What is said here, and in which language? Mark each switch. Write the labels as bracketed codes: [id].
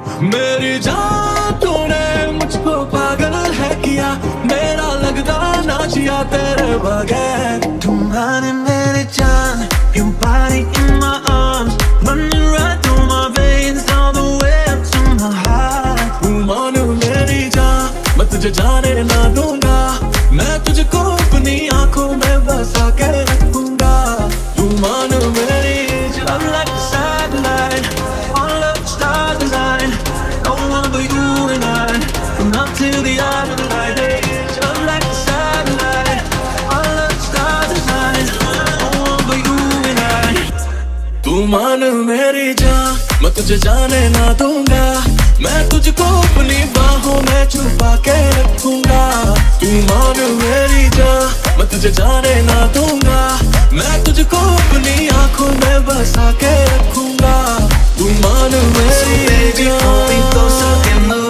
[hi] Meri jaan tune mujhko pagal hai kiya. [pa] Mera lagda na jiya tere bagair. [hi] Tumhaan hai meri jaan, [en] your body in my arms, running right through my veins, all the way up to my heart. [hi] Tumhaan hai meri jaan, main tujhe jaane na dunga. मैं तुझको अपनी आंखों में बसा के रखूंगा. तू मान मेरी जान. [en] I'm like a satellite, all of the stars align. No one but you and I, from now till the end of the light. I'm like a satellite, all of the stars align. No one but you and I. [hi] तू मान मेरी जान, मैं तुझे जाने ना दूंगा. मैं तुझको अपनी बाहों में छुपा के रखूंगा. तू मान मेरी जान, मैं तुझे जाने ना दूंगा. मैं तुझको अपनी आंखों में बसा के रखूंगा. तू मान मेरी जान.